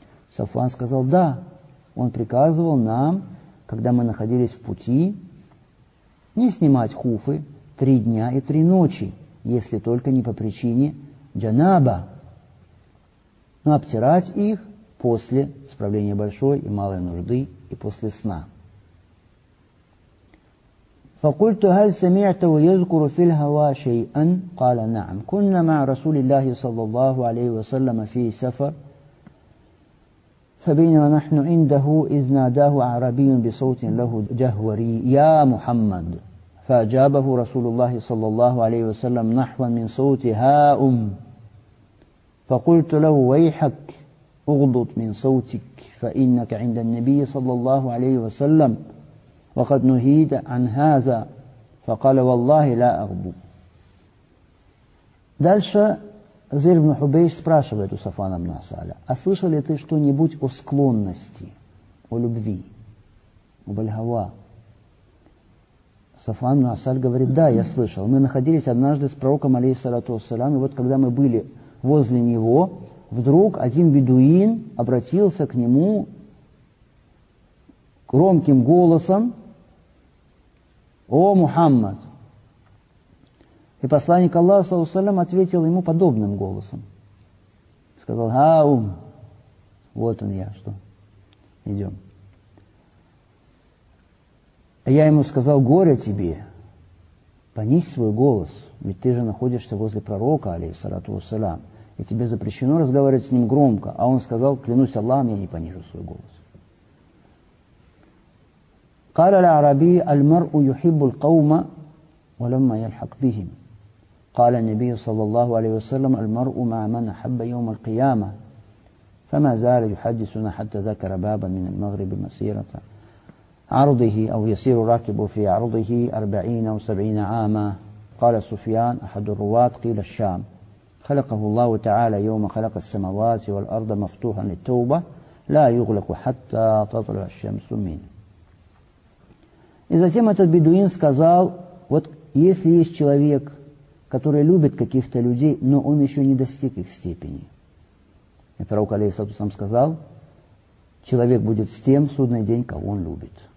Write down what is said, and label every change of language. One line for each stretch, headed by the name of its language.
Russian: Сафуан сказал: да. Он приказывал нам, когда мы находились в пути, не снимать хуфы 3 дня и 3 ночи, если только не по причине джанаба, но обтирать их после справления большой и малой нужды и после сна.
Arabic: فقلت هل سمعته يذكر في الهوى شيئا قال نعم كنا مع رسول الله صلى الله عليه وسلم في سفر فبينما نحن عنده إذ ناداه عربي بصوت له جهوري يا محمد فأجابه رسول الله صلى الله عليه وسلم نحو من صوت هاء فقلت له ويحك اغضض من صوتك فإنك عند النبي صلى الله عليه وسلم وقد نهيد عن هذا فقال والله لا أغبو.
Russian: Дальше Зир ибн Хубейш спрашивает у Сафуана ибн Ассаля: а слышал ли ты что-нибудь о склонности, о любви, об аль-хава? Сафуан ибн Ассаль говорит: да, я слышал. Мы находились однажды с пророком, алейхиссалату вассалям, и вот когда мы были возле него, вдруг один бедуин обратился к нему громким голосом: «О, Мухаммад!» И посланник Аллаха, саллаллаху алейхи ва саллям, ответил ему подобным голосом. Сказал: «Хаум! Вот он я, что? Идем». А я ему сказал: «Горе тебе! Понизь свой голос, ведь ты же находишься возле пророка, алейхиссалату вассалям, и тебе запрещено разговаривать с ним громко». А он сказал: «Клянусь Аллахом, я не понижу свой голос».
Arabic: قال العربي المرء يحب القوم ولما يلحق بهم قال النبي صلى الله عليه وسلم المرء مع من أحب يوم القيامة فما زال يحدثنا حتى ذكر بابا من المغرب مسيرة عرضه أو يسير راكب في عرضه 40 أو 70 عاما قال سفيان أحد الرواة قيل الشام خلقه الله تعالى يوم خلق السماوات والأرض مفتوحا للتوبة لا يغلق حتى تطلع الشمس منه.
Russian: И затем этот бедуин сказал: вот если есть человек, который любит каких-то людей, но он еще не достиг их степени. И пророк, алейхиссалату вассалям, сказал: человек будет с тем в судный день, кого он любит.